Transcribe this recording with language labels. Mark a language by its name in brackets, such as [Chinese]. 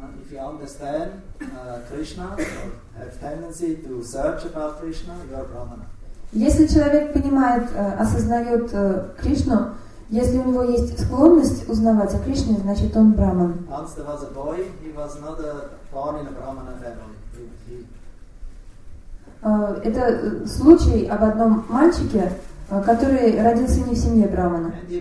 [English] If you understand Krishna or have tendency to search about Krishna, you are brahmana. [Russian] Если человек понимает, осознает Кришну, если у него есть склонность узнавать о Кришне, значит он брахман. [English] Once there was a boy, he was not born in a brahmana family. [Russian] Это случай об одном мальчике, который родился не в семье брахмана.